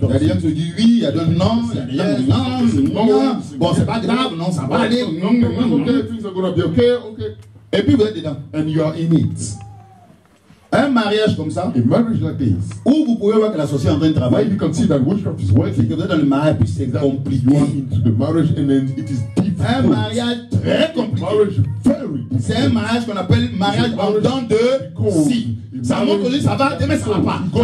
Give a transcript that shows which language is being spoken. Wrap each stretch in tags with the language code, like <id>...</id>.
<fr>Il y a des gens qui disent oui, il y a des non, il y a des non, non. Bon, c'est pas grave, non, ça va aller. Non, non, non.</fr> <en>Okay, things are gonna be okay, okay.</en> <fr>Et puis vous êtes dedans.</fr> <en>And you are in it.</en> <fr>Un mariage comme ça,</fr> <en>a marriage like this,</en> <fr>où vous pouvez voir que la société est en train de travailler,</fr> <en>you can see that witchcraft is working,</en> <fr>c'est que vous êtes dans le mariage puis c'est compliqué.</fr> <en>Into the marriage and then it is difficult.</en> <fr>Un mariage très compliqué.</fr> <en>Marriage very difficult.</en> <fr>C'est un mariage qu'on appelle mariage en temps de si. Ça monte aujourd'hui, ça va, demain ça va pas.</fr>